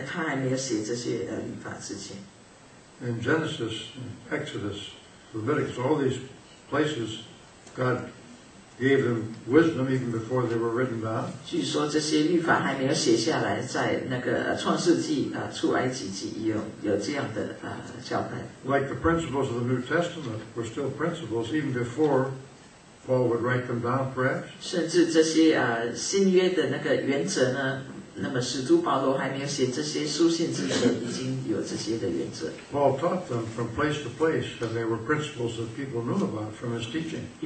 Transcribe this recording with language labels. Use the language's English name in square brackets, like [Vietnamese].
[Chinese] 我深知据说上帝一定有交代他们有这样的命令，就是不可以跟那个不信的人通婚，还他还没有写这些律法之前。 [English] In Genesis, in Exodus, Leviticus, all these places, God gave them wisdom even before they were written down. [Chinese] 据说这些律法还没有写下来，在那个创世纪出埃及记有这样的交代。 [English] Like the principles of the New Testament were still principles even before Paul would write them down, perhaps. [Chinese] 甚至这些新约的那个原则呢？那么使徒保罗还没有写这些书信之前，已经有这些的原则。 [English] Paul taught them from place to place, and they were principles that people knew about from his teaching.